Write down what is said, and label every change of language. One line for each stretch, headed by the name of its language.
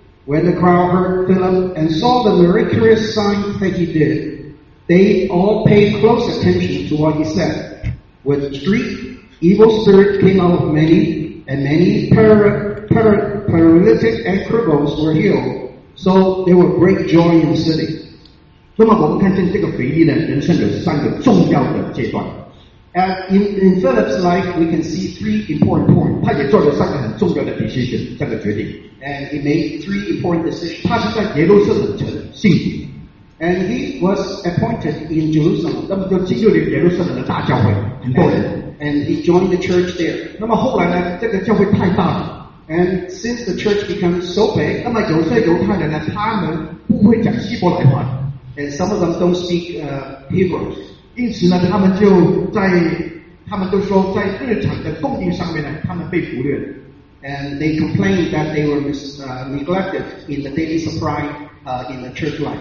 English: When the crowd heard Philip and saw the miraculous sign that he did, they all paid close attention to what he said. With strict evil spirit came out of many, and many paralytic and cripples were healed. So there was great joy in the city.
Chinese: 那么我们看见这个腓力呢，人生有三个重要的阶段。
English: In Philip's life, we can see 3 important points.
Chinese: 他也做了三个很重要的decision，这个决定。
English: And he made 3 important decisions.
Chinese: 他是在耶路撒冷城信主。
English: And he was appointed in Jerusalem.
Chinese: 那么就进入了耶路撒冷的大教会，很多人。
English: And he joined the church there.
Chinese: 那么后来呢，这个教会太大了。
English: And since the church becomes so big,
Chinese: 那么有些犹太人呢，他们不会讲希伯来话。
English: And some of them don't speak Hebrews.
Chinese: 因此呢，他们都说在日常的供应上面呢，他们被忽略了。
English: And they complained that they were neglected in the daily supply in the church life.